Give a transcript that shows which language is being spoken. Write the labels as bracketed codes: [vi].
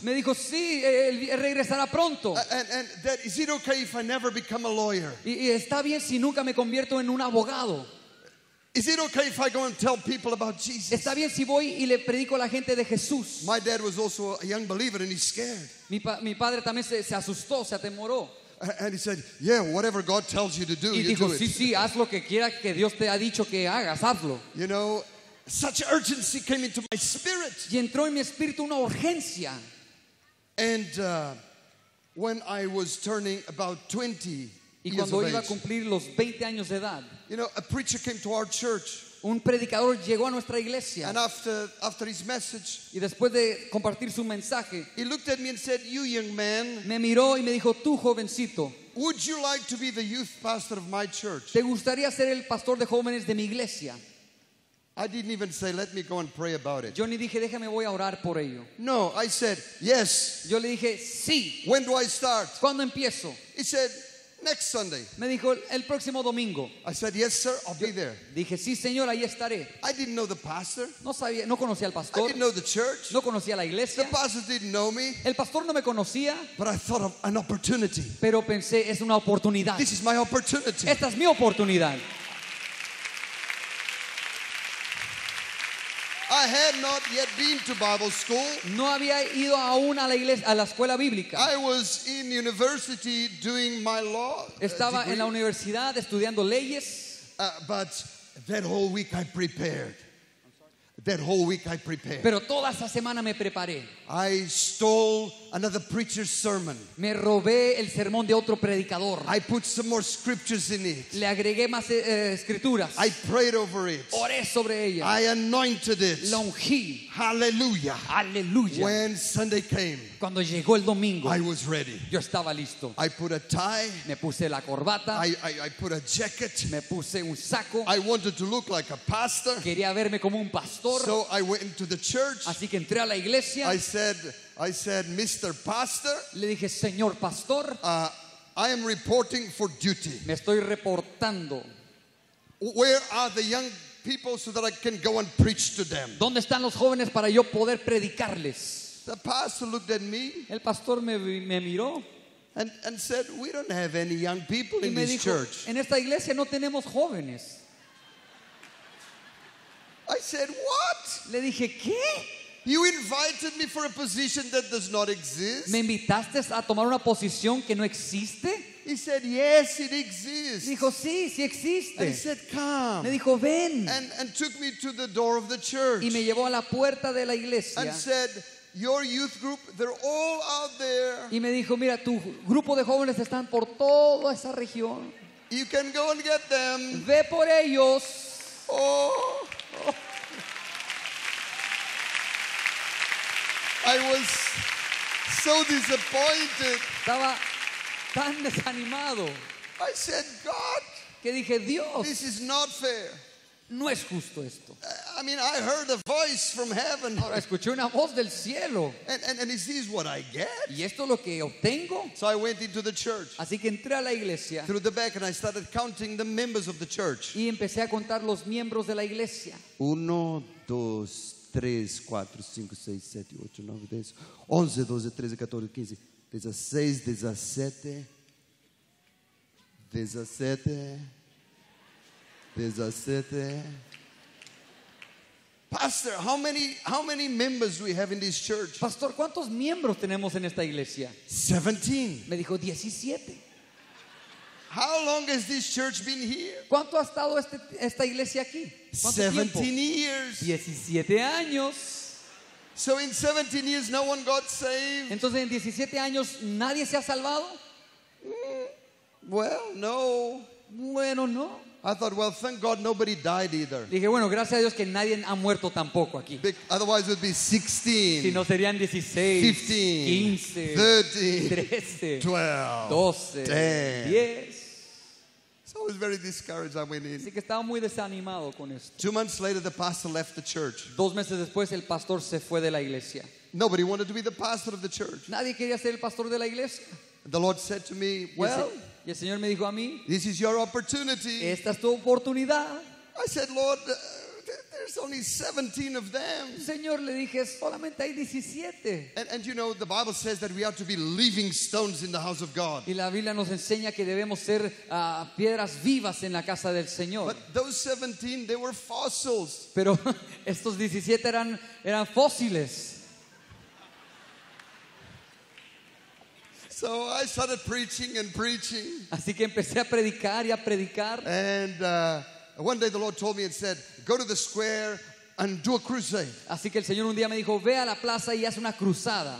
[es] Me dijo, sí, regresará pronto. [en] And Dad, is it okay if I never become a lawyer? [es] Y está bien si nunca me convierto en un abogado. [en] Is it okay if I go and tell people about Jesus? [es] Está bien si voy y le predico a la gente de Jesús. [en] My dad was also a young believer and he's scared. [es] Mi padre también se asustó, se atemoró. [en] And he said, yeah, whatever God tells you to do, [es] y dijo, [en] you do it. [es] Sí, sí, haz lo que quiera que Dios te ha dicho que hagas, hazlo. [en] You know, such urgency came into my spirit. [es] Y entró en mi espíritu una urgencia. [en] And when I was turning about 20 years of age, [es] y cuando iba a cumplir los 20 años de edad, [en] you know, a preacher came to our church. [es] Un predicador llegó a nuestra iglesia. [en] And after his message, [es] y después de compartir su mensaje, [en] he looked at me and said, "You young man." [es] Me miró y me dijo, "Tú jovencito." [en] Would you like to be the youth pastor of my church? [es] ¿Te gustaría ser el pastor de jóvenes de mi iglesia? [en] I didn't even say, "Let me go and pray about it." [es] Yo ni dije, "Déjame voy a orar por ello." [en] No, I said, "Yes." [es] Yo le dije, "Sí." [en] When do I start? [es] ¿Cuándo empiezo? [en] He said, next Sunday. [es] Me dijo, el próximo domingo. [en] I said, yes, sir, I'll be there. [es] Dije, sí, señor, ahí estaré. [en] I didn't know the pastor. [es] No sabía, no conocía al pastor. [en] I didn't know the church. [es] No conocía la iglesia. [en] The pastor didn't know me. [es] El pastor no me conocía. [en] But I thought of an opportunity. [es] Pero pensé, es una oportunidad. [en] This is my opportunity. [es] Esta es mi oportunidad. [en] I had not yet been to Bible school. [es] No había ido aún a la iglesia, a la escuela bíblica. [en] I was in university doing my law. [es] Estaba en la universidad estudiando leyes. [en] But that whole week I prepared. That whole week I prepared. [es] Pero toda esa semana me preparé. [en] I stole another preacher's sermon. [es] Me robé el sermón de otro predicador. [en] I put some more scriptures in it. [es] Le agregué más escrituras. [en] I prayed over it. [es] Oré sobre ella. [en] I anointed it. [es] Lo ungí. [en] Hallelujah. [es] Hallelujah. [en] When Sunday came. [es] Cuando llegó el domingo. [en] I was ready. [es] Yo estaba listo. [en] I put a tie. [es] Me puse la corbata. [en] I put a jacket. [es] Me puse un saco. [en] I wanted to look like a pastor. [es] Quería verme como un pastor. [en] So I went into the church. [es] Así que entré a la iglesia. [en] I said, Mr. Pastor. [es] Le dije, señor pastor. [en] I am reporting for duty. [es] Me estoy reportando. [en] Where are the young people so that I can go and preach to them? [es] ¿Dónde están los jóvenes para yo poder predicarles? [en] The pastor looked at me. [es] El pastor me miró. [en] And said, we don't have any young people in this church. [es] En esta iglesia no tenemos jóvenes. [en] I said, what? [es] Le dije, ¿qué? [en] You invited me for a position that does not exist. [es] ¿Me invitaste a tomar una posición que no existe? [en] He said, yes, it exists. [es] Dijo, sí, sí existe. [en] And he said, come. [es] Me dijo, ven. [en] And took me to the door of the church. [es] Y me llevó a la puerta de la iglesia. [en] And said, your youth group, they're all out there. [es] Y me dijo, mira, tu grupo de jóvenes están por toda esa región. [en] You can go and get them. [es] Ve por ellos. Oh. Oh. [en] I was so disappointed. [es] Estaba tan desanimado. [en] I said, God. [es] Que dije, Dios. [en] This is not fair. [es] No es justo esto. [en] I mean, I heard a voice from heaven. [es] Ahora escuché una voz del cielo. [en] And is this what I get? [es] ¿Y esto es lo que obtengo? [en] So I went into the church. [es] Así que entré a la iglesia. [en] Through the back, and I started counting the members of the church. [es] Y empecé a contar los miembros de la iglesia. Uno, dos, 3, 4, 5, 6, 7, 8, 9, 10, 11, 12, 13, 14, 15, 16, 17, 17, 17. [en] Pastor, how many members we have in this church? [es] Pastor, ¿cuántos miembros tenemos en esta iglesia? [en] 17. [es] Me dijo 17. [en] How long has this church been here? [es] ¿Cuánto ha estado esta iglesia aquí? [en] 17 years. [es] 17 años. [en] So in 17 years no one got saved. [es] Entonces en 17 años nadie se ha salvado. [en] Well, no. [es] Bueno, no. [en] I thought, well, thank God nobody died either. [es] Dije, bueno, gracias a Dios que nadie ha muerto tampoco aquí. [en] Otherwise it would be 16. [es] Si no serían 16. [en] 15. [es] 15. [en] 13. [es] 13. [en] 12. [es] 12. [en] 10. [es] 10. [en] So I was very discouraged. I went in. [es] Así que estaba muy desanimado con esto. [en] 2 months later, the pastor left the church. [es] 2 meses después, el pastor se fue de la iglesia. [en] Nobody wanted to be the pastor of the church. [es] Nadie quería ser el pastor de la iglesia. [en] The Lord said to me, well, [es] y el Señor me dijo a mí, [en] this is your opportunity. [es] Esta es tu oportunidad. [en] I said, Lord, there's only 17 of them. [es] Señor, le dije, solamente hay 17. [en] And you know, the Bible says that we are to be living stones in the house of God. [es] Y la Biblia nos enseña que debemos ser piedras vivas en la casa del Señor. [en] But those 17, they were fossils. [es] Pero estos 17 eran fósiles. [en] So I started preaching and preaching. [es] Así que empecé a predicar y a predicar. [en] And one day the Lord told me and said, go to the square and do a crusade. [es] Así que el Señor un día me dijo, ve a la plaza y haz una cruzada.